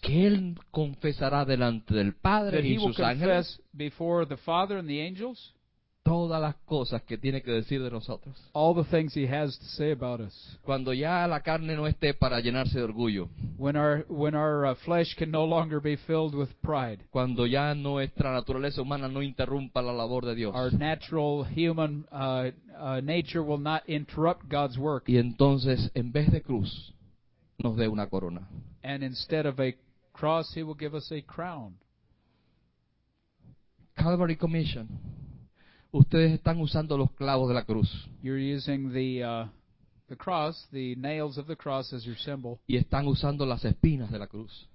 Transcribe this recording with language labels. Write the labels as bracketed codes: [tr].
[es] que él confesará delante del Padre y sus ángeles [en] before the Father and the angels [es] todas las cosas que tiene que decir de nosotros. [en] All the things he has to say about us. [es] Cuando ya la carne no esté para llenarse de orgullo. [en] When our flesh can no longer be filled with pride. [es] Cuando ya nuestra naturaleza humana no interrumpa la labor de Dios. [en] Our natural human nature will not interrupt God's work. [es] Y entonces, en vez de cruz, nos dé una corona. [en] And instead of a cross, he will give us a crown. Calvary Commission. [es] Ustedes están usando los clavos de la cruz. [en] You're using the cross, the nails of the cross as your symbol. [es] Y están usando las espinas de la cruz.